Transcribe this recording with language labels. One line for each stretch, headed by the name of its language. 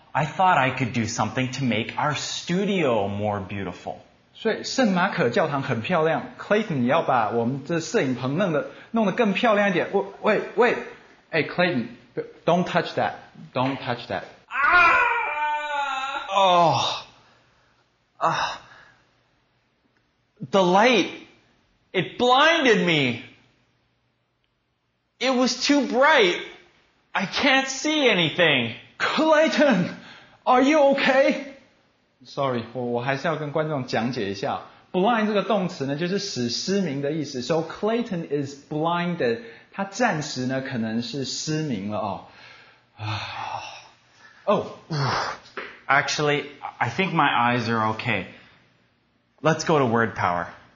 English: I thought I could do something to make our studio more beautiful.
Chinese: 所以圣马可教堂很漂亮。 Clayton, 你要把我们这摄影棚弄得更漂亮一点。喂喂喂。
English: Hey, Clayton, don't touch that. Don't touch that. Ah! Oh. The light. It blinded me. It was too bright. I can't see anything. Clayton, are you okay?
Chinese: Sorry, 我还是要跟观众讲解一下。Blind 这个动词呢，就是使失明的意思。
English: So Clayton is blinded.
Chinese: 他暂时呢，可能是失明了哦。
English: Oh, actually, I think my eyes are okay. Let's go to Word Power.